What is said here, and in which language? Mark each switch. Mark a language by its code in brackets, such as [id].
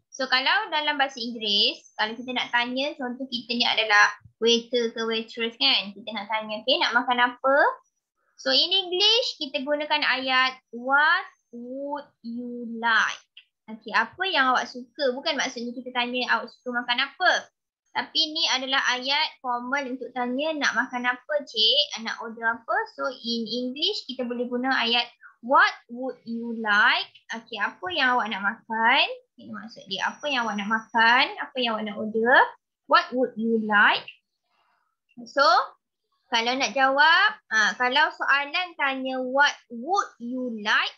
[ms] So kalau dalam bahasa Inggeris, kalau kita nak tanya, contoh kita ni adalah waiter ke waitress kan? Kita nak tanya, okay, nak makan apa? [en] So in English, [ms] kita gunakan ayat, [en] what would you like? [ms] Okay, apa yang awak suka? Bukan maksudnya kita tanya awak suka makan apa. Tapi ni adalah ayat formal untuk tanya nak makan apa, cik? Nak order apa? [en] So in English, [ms] kita boleh guna ayat, [en] what would you like? [ms] Okay, apa yang awak nak makan? Ini maksud dia, apa yang awak nak makan? Apa yang awak nak order? [en] What would you like? [ms] So, kalau nak jawab, kalau soalan tanya [en] what would you like?